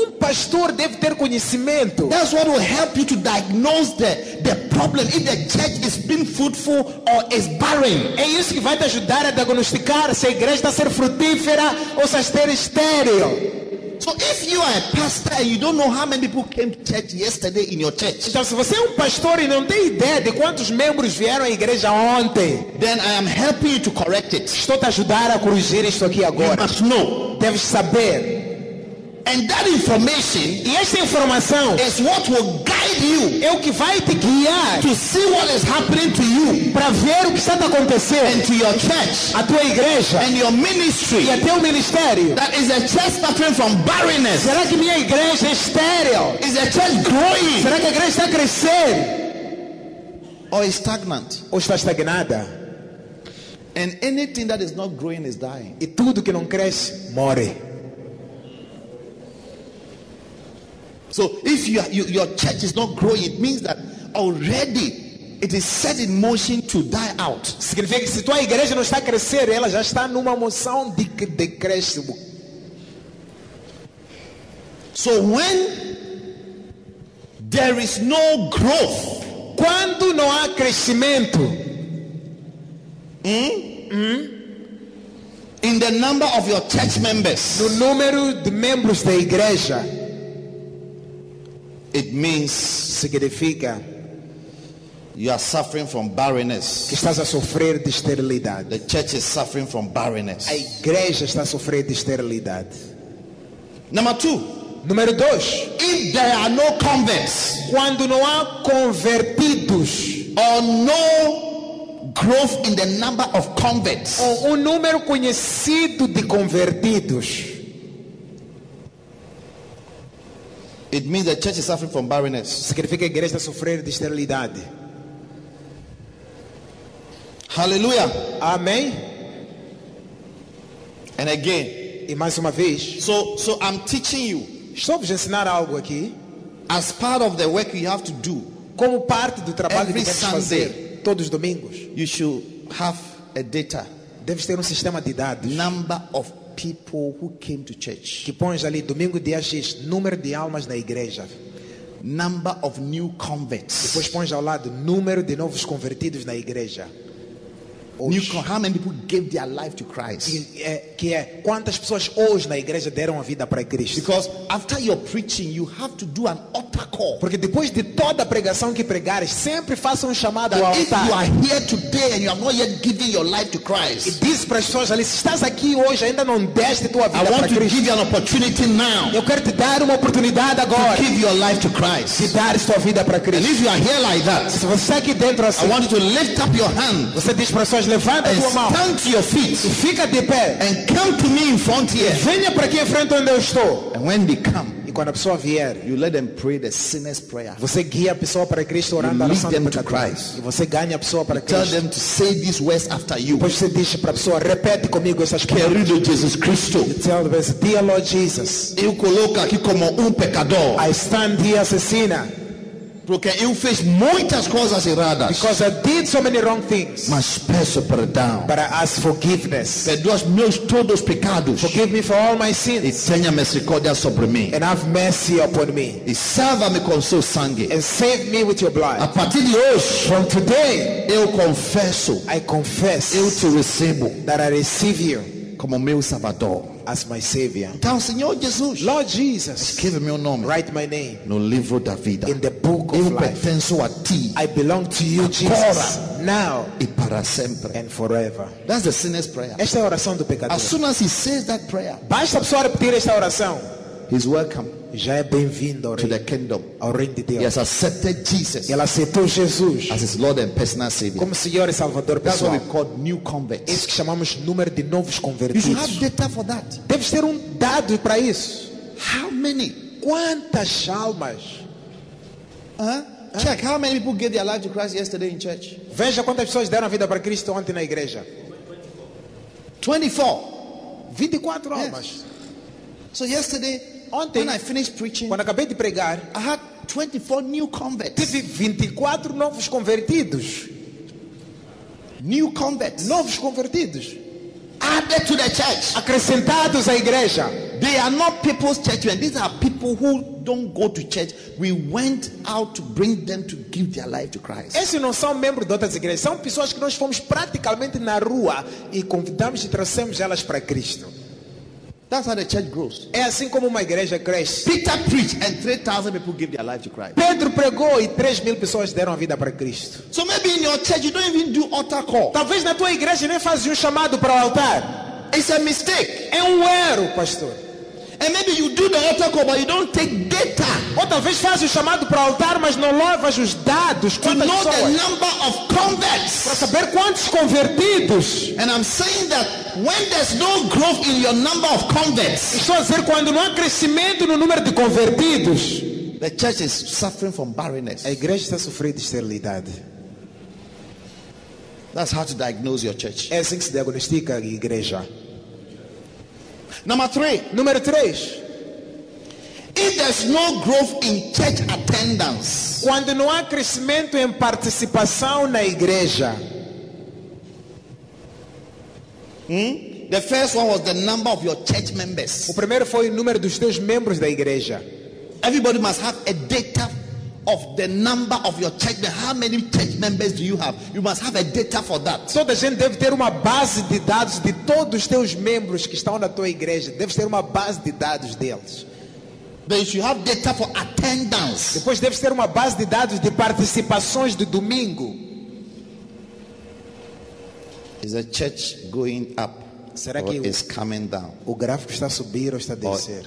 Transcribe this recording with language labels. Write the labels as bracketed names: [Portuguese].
[Portuguese] Pastor deve ter conhecimento. [English] That's what will help you to diagnose the problem if the church is being fruitful or is barren. [Portuguese] É isso que vai te ajudar a diagnosticar se a igreja está a ser frutífera ou se está a estéril. [English] So if you are a pastor and you don't know how many people came to church yesterday in your church. [Portuguese] Então se você é pastor e não tem ideia de quantos membros vieram à igreja ontem, [English] then I am helping you to correct it. [Portuguese] Estou a ajudar a corrigir isto aqui agora. [English] You must know. [Portuguese] Deve saber. [English] And that information, [Portuguese] e esta informação, [English] is what will guide you, [Portuguese] é o que vai te guiar, [English] to see what is happening to you, [Portuguese] para ver o que está acontecendo, [English] and to your church, [Portuguese] a tua igreja, [English] and your ministry, [Portuguese] e até o ministério. [English] That is a church suffering from barrenness. [Portuguese] Será que minha igreja é estéril? [English] Is a church growing? [Portuguese] Será que a igreja está crescendo? [English] Or is stagnant? [Portuguese] Ou está estagnada? [English] And anything that is not growing is dying. [Portuguese] E tudo que não cresce morre. [English] So if your church is not growing, it means that already it is set in motion to die out. [Portuguese] Significa que se tua igreja não está a crescer, ela já está numa moção de decréscimo. [English] So when there is no growth, [Portuguese] quando não há crescimento, [English] in the number of your church members, [Portuguese] no número de membros da igreja, [English] it means, [Portuguese] significa, [English] you are suffering from barrenness. [Portuguese] Que estás a sofrer de esterilidade. [English] The church is suffering from barrenness. [Portuguese] A igreja está a sofrer de esterilidade. [English] Number two. [Portuguese] Número dois. [English] If there are no converts, [Portuguese] quando não há convertidos, [English] or no growth in the number of converts, [Portuguese] ou um número conhecido de convertidos, [English] it means the church is suffering from barrenness. [Portuguese] Significa que a igreja está a sofrer de esterilidade. [English] Hallelujah. [Portuguese] Amém. [English] And again, [Portuguese] e mais uma vez, [English] so I'm teaching you. [Portuguese] Estou-vos a ensinar algo aqui. [English] As part of the work you have to do, [Portuguese] como parte do trabalho [English] every [Portuguese] que [English] Sunday, [Portuguese] fazer, todos os domingos, [English] you should have a data. [Portuguese] Deves ter sistema de dados. [English] Number of people who came to church. [Portuguese] Que pões ali domingo dia X, número de almas na igreja. [English] Number of new converts. [Portuguese] Depois pões ao lado número de novos convertidos na igreja. [English] How many people gave their life to Christ? [Portuguese] Que é quantas pessoas hoje na igreja deram a vida para Cristo? [English] Because after your preaching, you have to do an altar call. [Portuguese] Porque depois de toda a pregação que pregares, sempre faça um chamado ao altar. [English] If you are here today and you have not yet given your life to Christ, [Portuguese] e diz para as pessoas ali, se estás aqui hoje ainda não deste tua vida para Cristo, [English] I want to give you an opportunity now. [Portuguese] Eu quero te dar uma oportunidade agora. [English] To give your life to Christ. [Portuguese] De dar sua vida para Cristo. [English] And if you are here like that, [Portuguese] se você aqui dentro assim, [English] I want you to lift up your hand. [Portuguese] Você diz para as pessoas, levanta [English] and [Portuguese] tua mão. [English] Stand to your feet. [Portuguese] E fica de pé. [English] And come to me in front here. [Portuguese] E venha para aqui em frente onde eu estou. [English] And when they come, [Portuguese] e quando a pessoa vier, [English] you let them pray the sinner's prayer. [Portuguese] Você guia a pessoa para Cristo orando a oração de Cristo. Christ. E você ganha a pessoa para [English] you [Portuguese] Cristo. [English] Tell them to say these words after you. [Portuguese] Depois você diz para a pessoa, repete comigo essas palavras. Querido Jesus Cristo. [English] Tell them, dear Lord Jesus. [Portuguese] Eu coloco aqui como pecador. [English] I stand here as a sinner. [Portuguese] Porque eu fiz muitas coisas erradas. [English] Because I did so many wrong things. [Portuguese] Mas peço perdão. [English] But I ask forgiveness. [Portuguese] Perdoa os meus todos os pecados. [English] Forgive me for all my sins. [Portuguese] E tenha misericórdia sobre mim. [English] And have mercy upon me. [Portuguese] E salva-me com seu sangue. [English] And save me with your blood. [Portuguese] A partir de hoje, [English] from today, [Portuguese] eu confesso. [English] I confess. [Portuguese] Eu te recebo. [English] That I receive you. [Portuguese] Como meu Salvador. [English] As my savior. [Portuguese] Então, Senhor Jesus, [English] Lord Jesus, [Portuguese] escreve meu nome, [English] write my name, [Portuguese] no livro da vida, [English] in the book of [Portuguese] eu [English] life. [Portuguese] Eu pertenço a ti. [English] I belong to you, [Portuguese] agora, [English] Jesus. Now [Portuguese] e para sempre. [English] And forever. That's the sinner's prayer. [Portuguese] Esta é a oração do pecador. [English] As soon as he says that prayer, [Portuguese] basta a pessoa repetir esta oração. [English] He's welcome. [Portuguese] Já é bem-vindo ao [English] to the kingdom. [Portuguese] Ao reino de Deus. [English] He has accepted Jesus. [Portuguese] Ele aceitou Jesus [English] as his Lord and personal Savior. [Portuguese] Como Senhor e Salvador pessoal. [English] That's what we call new converts. [Portuguese] Isso que chamamos número de novos convertidos. [English] You have data for that. [Portuguese] Deve ter dado para isso. [English] How many? [Portuguese] Quantas almas? [English] Check how many people gave their life to Christ yesterday in church. [Portuguese] Veja quantas pessoas deram a vida para Cristo ontem na igreja. [English] 24. [Portuguese] 24 almas. [English] Yes. So yesterday, [Portuguese] ontem, [English] when I finished preaching, [Portuguese] quando acabei de pregar, [English] I had 24 new converts. [Portuguese] Tive 24 novos convertidos. [English] New converts. [Portuguese] Novos convertidos. [English] Added to the church. [Portuguese] Acrescentados à igreja. [English] They are not people's church. These are people who don't go to church. We went out to bring them to give their life to Christ. [Portuguese] Esses não são membros de outras igrejas. São pessoas que nós fomos praticamente na rua e convidamos e trouxemos elas para Cristo. [English] That's how the church grows. [Portuguese] É assim como uma igreja cresce. [English] Peter preached and 3,000 people gave their life to Christ. [Portuguese] Pedro pregou e 3,000 pessoas deram a vida para Cristo. [English] So maybe in your church you don't even do altar call. [Portuguese] Talvez na tua igreja nem fazes um chamado para o altar. [English] It's a mistake. [Portuguese] É um erro, pastor. [English] And maybe you do the altar call but you don't take data. [Portuguese] Ou talvez fazes um chamado para o altar, mas não levas os dados. [English] To know the number of converts. [Portuguese] Para saber quantos convertidos. [English] And I'm saying that when there's no growth in your number of converts. [Portuguese] Estou a dizer quando não há crescimento no número de convertidos. [English] The church is suffering from barrenness. [Portuguese] A igreja está sofrendo de esterilidade. [English] That's how to diagnose your church. [Portuguese] É assim que se diagnostica a igreja. [English] Number three. [Portuguese] Número 3. [English] If there's no growth in church attendance. [Portuguese] Quando não há crescimento em participação na igreja. [English] The first one was the number of your church members. [Portuguese] O primeiro foi o número dos teus membros da igreja. [English] Everybody must have a data of the number of your church. How many church members do you have? You must have a data for that. [Portuguese] Toda gente deve ter uma base de dados de todos os teus membros que estão na tua igreja. Deve ter uma base de dados deles. [English] Then you should have data for attendance. [Portuguese] Depois deve ter uma base de dados de participações de domingo. [English] Is the church going up? [Portuguese] Será [English] or [Portuguese] que [English] is coming down? [Portuguese] O gráfico está a subir ou está a descer?